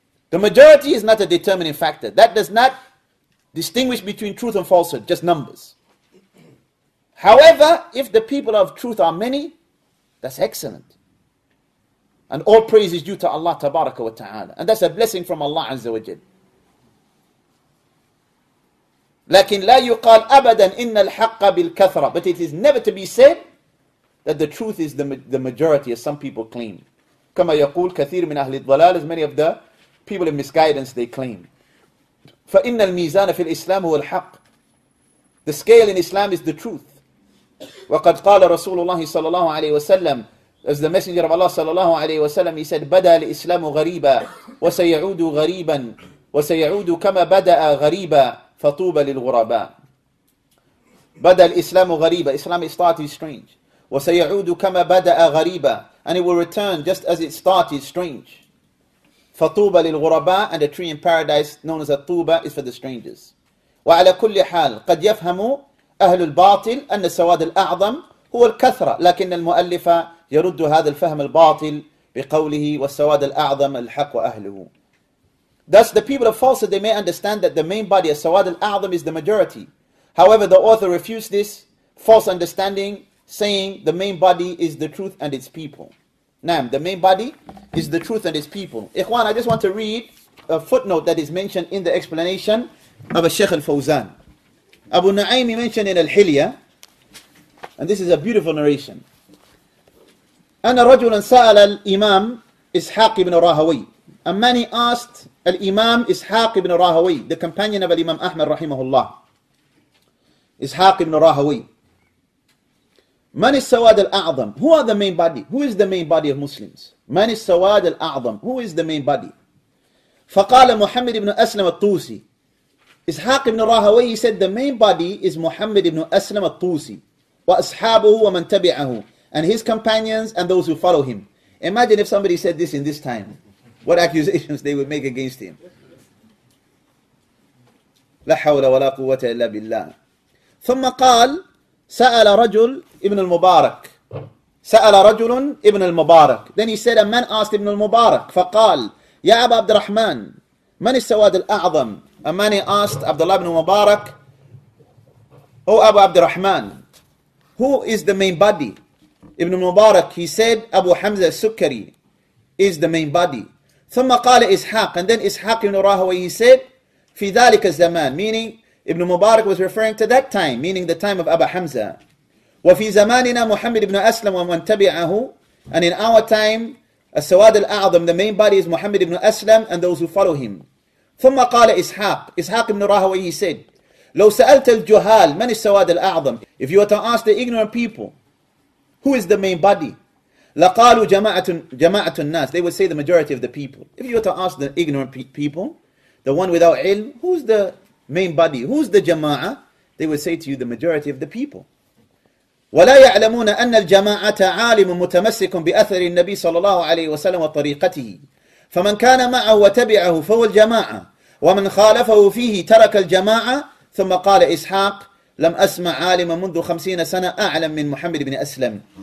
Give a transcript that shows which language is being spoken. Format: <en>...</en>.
<en>The majority is not a determining factor. That does not distinguish between truth and falsehood, just numbers. However, if the people of truth are many, that's excellent. And all praise is due to Allah Tabaraka wa Ta'ala. And that's a blessing from Allah Azza wa Jal.</en> <ar>لكن لا يقال أبدا إن الحق بالكثرة.</ar> <en>But it is never to be said that the truth is the majority, as some people claim.</en> <ar>كما يقول كثير من أهل الضلال,</ar> <en>as many of the people in misguidance they claim.</en> <ar>فإن الميزان في الإسلام هو الحق.</ar> <en>The scale in Islam is the truth.</en> <ar>وقد قال رسول الله صلى الله عليه وسلم,</ar> <en>as the messenger of Allah</en> <ar>صلى الله عليه وسلم,</ar> <en>he said,</en> <ar>بدأ الإسلام غريبا وسيعود غريبا وسيعود كما بدأ غريبا فطوبى للغرباء. بدأ الإسلام غريبا.</ar> <en>Islam is started strange.</en> <ar>وسيعود كما بدأ غريبا.</ar> <en>And it will return just as it started strange.</en> <ar>فطوبى للغرباء.</ar> <en>And a tree in paradise known as الطوبى is for the strangers.</en> <ar>وعلى كل حال قد يفهم أهل الباطل أن السواد الأعظم هو الكثرة, لكن المؤلف يرد هذا الفهم الباطل بقوله والسواد الأعظم الحق وأهله.</ar> <en>Thus the people of falsehood, they may understand that the main body of Sawad al-A'zam is the majority. However, the author refutes this false understanding, saying the main body is the truth and its people. Naam, the main body is the truth and its people. Ikhwan, I just want to read a footnote that is mentioned in the explanation of Sheikh al-Fawzan. Abu Na'aymi mentioned in Al-Hilya, and this is a beautiful narration.</en> <ar>أنا رجلا سأل الإمام إسحاق بن راهوي.</ar> <en>A man, he asked الإمام إسحاق بن راهوي, the companion of الإمام أحمد رحمه الله.</en> <ar>إسحاق بن راهوي. من السواد الأعظم?</ar> <en>Who are the main body? Who is the main body of Muslims?</en> <ar>من السواد الأعظم?</ar> <en>Who is the main body?</en> <ar>فقال محمد بن أسلم الطوسي. إسحاق بن راهوي,</ar> <en>he said the main body is</en> <ar>محمد بن أسلم الطوسي. وأصحابه ومن تبعه.</ar> <en>And his companions and those who follow him. Imagine if somebody said this in this time. What accusations they would make against him.</en> <ar>لا حول ولا قوة إلا بالله. ثم قال سأل رجل ابن المبارك. سأل رجل ابن المبارك.</ar> <en>Then he said a man asked</en> <ar>ابن المبارك. فقال يا أبا عبد الرحمن من السواد الأعظم?</ar> <en>A man he asked Abdullah ibn Mubarak, "O Abu Abdurrahman, who is the main body?" Ibn Mubarak, he said, "Abu Hamza al-Sukkari is the main body."</en> <ar>ثم قال إسحاق,</ar> <en>and then إسحاق ibn Rahway, he said,</en> <ar>"في ذلك الزمان,"</ar> <en>meaning Ibn Mubarak was referring to that time, meaning the time of Abu Hamza.</en> <ar>وفي زماننا محمد ابن أسلم ومن تبعه,</ar> <en>and in our time,</en> <ar>السواد الأعظم,</ar> <en>the main body is Muhammad ibn Aslam and those who follow him.</en> <ar>ثم قال إسحاق,</ar> <en>إسحاق ابن راهوي, he said,</en> <ar>لو سألت الجهال من السواد الأعظم,</ar> <en>if you were to ask the ignorant people, who is the main body,</en> <ar>لقالوا جماعة الناس,</ar> <en>they would say the majority of the people. If you were to ask the ignorant people, the one without علم, who's the main body, who's the جماعة, they would say to you the majority of the people.</en> <ar>ولا يعلمون أن الجماعة عالم متمسك بأثر النبي صلى الله عليه وسلم وطريقته فمن كان معه وتبعه فهو الجماعة ومن خالفه فيه ترك الجماعة ثم قال إسحاق لم أسمع عالما منذ 50 سنة أعلم من محمد بن أسلم.</ar>